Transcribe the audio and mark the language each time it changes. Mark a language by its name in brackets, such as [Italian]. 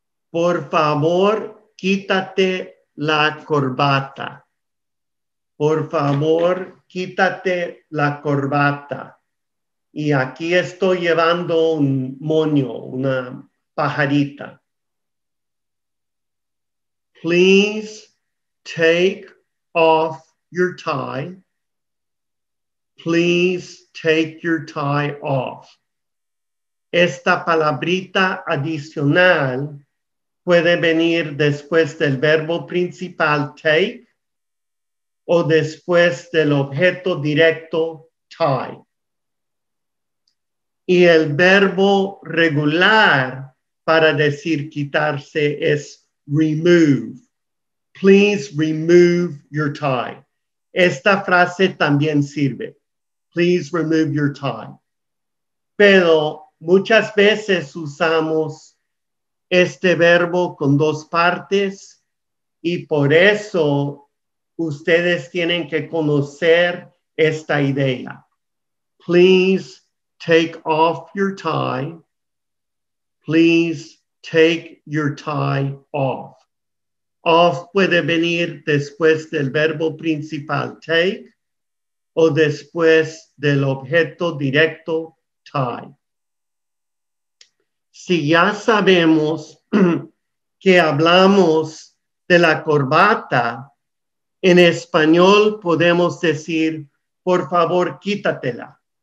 [Spanish] Por favor, quítate la corbata. Por favor, quítate la corbata. Y aquí estoy llevando un moño, una pajarita. [English] Please take off your tie. Please take your tie off. [Spanish] Esta palabrita adicional puede venir después del verbo principal take o después del objeto directo tie. Y el verbo regular para decir quitarse es remove. [English] Please remove your tie. [Spanish] Esta frase también sirve. [English] Please remove your tie. [Spanish] Pero muchas veces usamos este verbo con dos partes y por eso ustedes tienen que conocer esta idea. [English] Please take off your tie. Please take your tie off. [Spanish] Off puede venir después del verbo principal take o después del objeto directo tie. Si ya sabemos que hablamos de la corbata, en español podemos decir, por favor, quítatela.